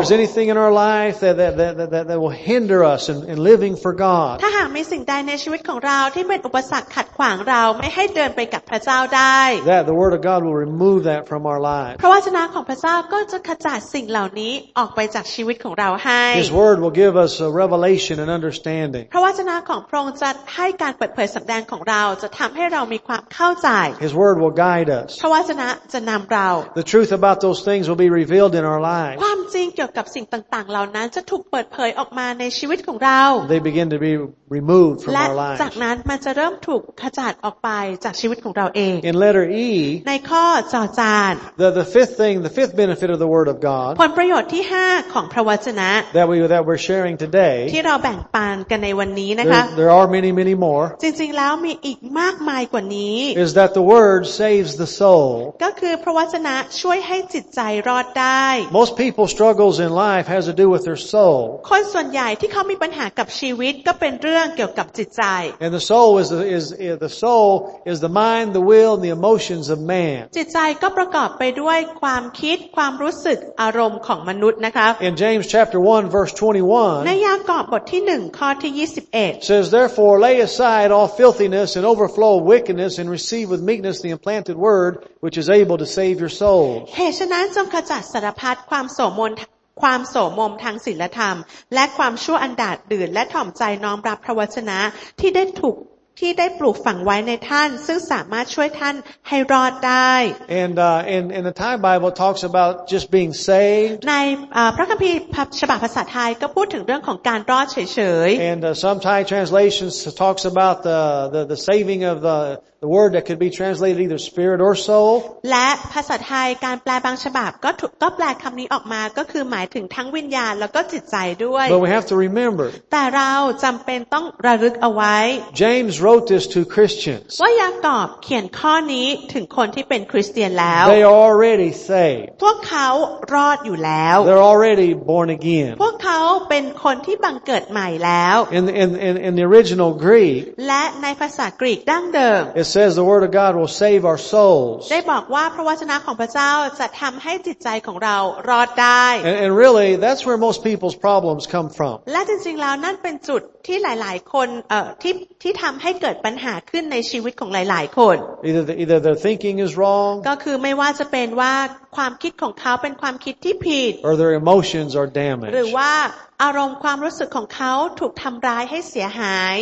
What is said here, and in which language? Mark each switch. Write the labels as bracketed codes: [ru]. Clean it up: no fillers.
[en] If there's anything in our life that will hinder us in living for God [th] ถ้าหากมีสิ่งใดในชีวิตของเราที่เป็นอุปสรรคขัดขวางเราไม่ให้เดินไปกับพระเจ้าได้ [en] That the Word of God will remove that from our lives [th] พระวจนะของพระเจ้าก็จะขจัดสิ่งเหล่านี้ออกไปจากชีวิตของเราให้ [en] His word will give us a revelation and understanding [th] พระวจนะของพระองค์จะให้การเปิดเผยสำแดงของเราจะทำให้เรามีความเข้าใจ [en] His word will guide us [th] พระวจนะจะนำเรา [en] The truth about those things will be revealed in our lives [th] ความจริงเกี่ยวกับสิ่งต่างๆเหล่านั้นจะถูกเปิดเผยออกมาในชีวิตของเรา [en] They begin to be removed from our lives [th] และจากนั้นมันจะเริ่มถูกขจัดออกไปจากชีวิตของเราเอง [en] In letter E [th] ในข้อจอจาน [en] the fifth benefit of the word of God [th] ผลประโยชน์ที่5ของพระวจนะ [en] that we're sharing today [th] ที่เราแบ่งปันกันในวันนี้นะคะ [en] there are many many more [th] จริงๆแล้วมีอีกมากมายกว่านี้ [en] is that the word saves the soul [th] ก็คือพระวจนะช่วยให้จิตใจรอดได้ [en] most people struggles in life has to do with their soul [th] คนส่วนใหญ่ที่เขามีปัญหากับชีวิตก็เป็นเรื่องเกี่ยวกับจิตใจ [en] and the soul is the mind the will and the emotions of man [th] จิตใจก็ประกอบไปด้วยความคิดความรู้สึกอารมณ์ของมนุษย์นะคะ [en] In James chapter 1 verse 21 [th] ในยากอบบทที่1ข้อที่21 [en] says therefore lay aside all filthiness and overflow of wickedness and receive with meekness the implanted word which is able to save your souls [th] เหตุฉะนั้นจงขจัดสารพัดความโสมมทางศีลธรรมและความชั่วอันดาษดื่นและถ่อมใจน้อมรับพระวจนะที่ได้ปลูกฝังไว้ในท่านซึ่งสามารถช่วยท่านให้รอดได้ [en] And in the Thai Bible talks about just being saved [th] ในพระคัมภีร์ฉบับภาษาไทยก็พูดถึงเรื่องของการรอดเฉย [en] ๆ And some Thai translations talks about the saving of the word that could be translated either spirit or soul [th] และภาษาไทยการแปลบางฉบับก็แปลคำนี้ออกมาก็คือหมายถึงทั้งวิญญาณแล้วก็จิตใจด้วย [en] But we have to remember [th] แต่เราจำเป็นต้องระลึกเอาไว้ [en] James wrote this to Christians [th] ว่ายากอบเขียนข้อนี้ถึงคนที่เป็นคริสเตียนแล้ว [en] They are already saved [th] พวกเขารอดอยู่แล้ว [en] They're already born again [th] พวกเขาเป็นคนที่บังเกิดใหม่แล้ว [en] In the original Greek [th] และในภาษากรีกดั้งเดิม [en] Says the word of God will save our souls. [th] ได้บอกว่าพระวจนะของพระเจ้าจะทำให้จิตใจของเรารอดได้ [en] And really, that's where most people's problems come from. [th] และจริงๆแล้วนั่นเป็นจุดที่หลายๆคนที่ทำให้เกิดปัญหาขึ้นในชีวิตของหลายๆคน [en] Either their thinking is wrong. [th] ก็คือไม่ว่าจะเป็นว่าความคิดของเขาเป็นความคิดที่ผิด [en] Or their emotions are damaged. [th] หรือว่าอารมณ์ความรู้สึกของเขาถูกทำร้ายให้เสียหาย